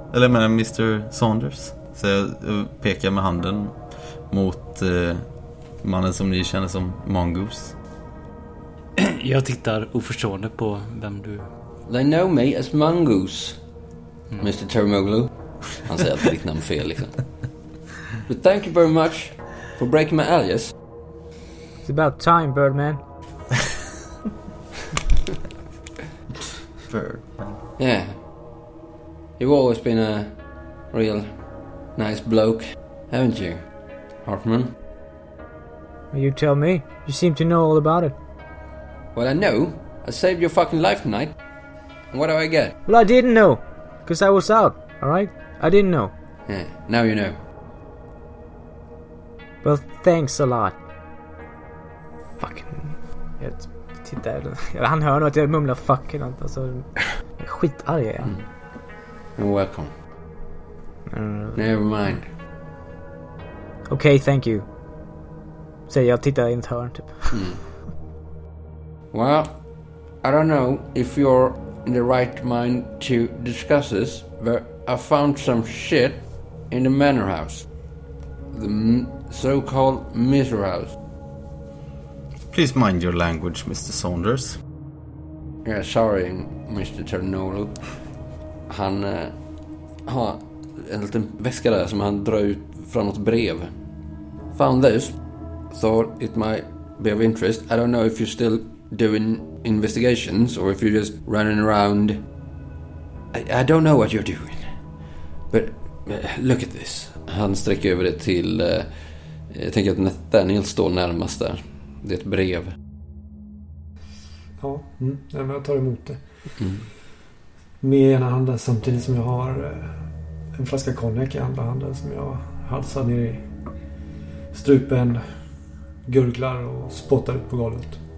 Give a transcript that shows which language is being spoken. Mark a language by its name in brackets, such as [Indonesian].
[Swedish] Eller jag menar Mr. Saunders? Så jag pekar med handen mot mannen som ni känner som Mongoose. Jag tittar oförstående på vem du... [English] They know me as Mongoose, Mr. Turmoglu. [Swedish] Han säger alltid ditt namn fel liksom. [English] But thank you very much for breaking my alias. It's about time, Birdman. Birdman. Yeah. You've always been a real nice bloke, haven't you, Hartman? You tell me. You seem to know all about it. Well, I know. I saved your fucking life tonight. And what do I get? Well, I didn't know. Because I was out, all right? I didn't know. Yeah, now you know. Well, thanks a lot. Fucking... [Swedish] Titta, han hör nog att jag mumlar fucking. Alltså, skitarg är jag. [English] You're welcome. Never mind. Okay, thank you. [Swedish] Säger jag, tittar i ett hörn typ. [English] Well, I don't know if you're in the right mind to discuss this, but I found some shit in the manor house. The so-called Mr. House. Please mind your language, Mr. Saunders. Yeah, sorry, Mr. Ternolo. [Swedish] Han har en liten väska där som han drar ut från något brev. [English] Found this. Thought it might be of interest. I don't know if you're still doing investigations or if you're just running around. I don't know what you're doing. But look at this. [Swedish] Han sträcker över det till... jag tänker att Nathaniel står närmast där. Det är ett brev. Ja, mm, jag tar emot det. Med ena handen samtidigt som jag har en flaska konjak i andra handen som jag halsar ner i strupen, gurglar och spottar ut på golvet.